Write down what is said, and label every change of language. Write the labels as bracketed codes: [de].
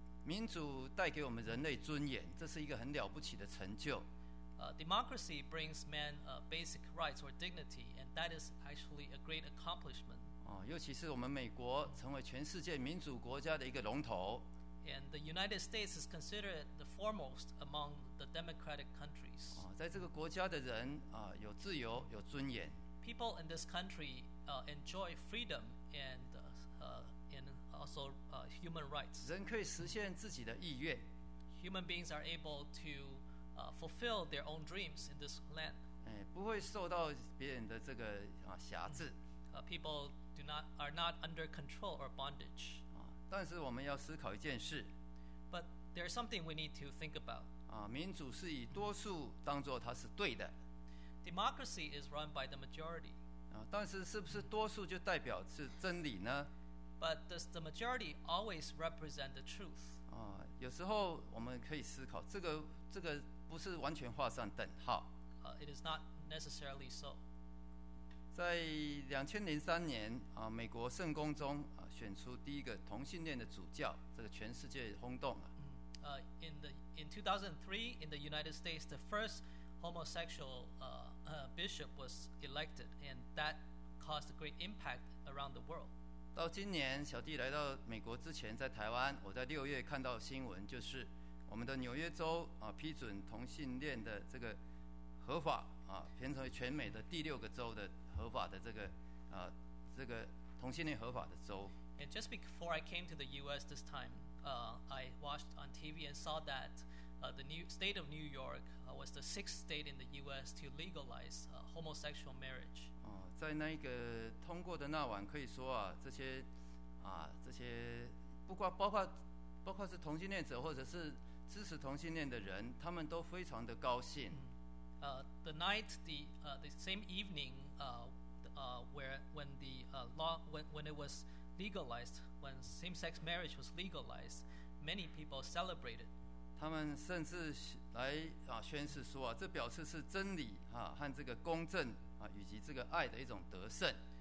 [zh] 民主带给我们人类尊严，这是一个很了不起的成就。 [en] Democracy brings man basic rights or dignity, and that is actually a great accomplishment. [zh] 尤其是我们美国成为全世界民主国家的一个龙头。 [en] And the United States is considered the foremost among the democratic countries. [zh] 在这个国家的人有自由，有尊严。 [en] People in this country enjoy freedom and also human rights. [zh] 人可以实现自己的意愿。 [en] Human beings are able to fulfill their own dreams in this land. [zh] 不会受到别人的这个辖制。 [en] People are not under control or bondage. [zh] 但是我们要思考一件事。 [en] But there is something we need to think about. [zh] 民主是以多数当作它是对的。 [en] Democracy is run by the majority. [zh] 但是是不是多数就代表是真理呢？ [en] But does the majority always represent the truth? [zh] 有时候我们可以思考，这个不是完全画上等号。 [en] It is not necessarily so. [zh] 在2003年美国圣公中选出第一个同性恋的主教，这个全世界轰动了。 [en] In 2003, in the United States, the first homosexual bishop was elected, and that caused a great impact around the world. [zh] 到今年，小弟来到美国之前，在台湾，我在六月看到新闻，就是我们的纽约州批准同性恋的这个合法变成全美的第六个州的合法的这个同性恋合法的州。 [en] And just before I came to the U.S. this time, I watched on TV and saw that. The new state of New York was the sixth state in the U.S. to legalize homosexual marriage. [zh] 在那个通过的那晚，可以说这些包括是同性恋者或者是支持同性恋的人，他们都非常的高兴。 [en] The night, the same evening, when same-sex marriage was legalized, many people celebrated. [zh] 他们甚至来宣誓说这表示是真理和这个公正以及这个爱的一种得胜。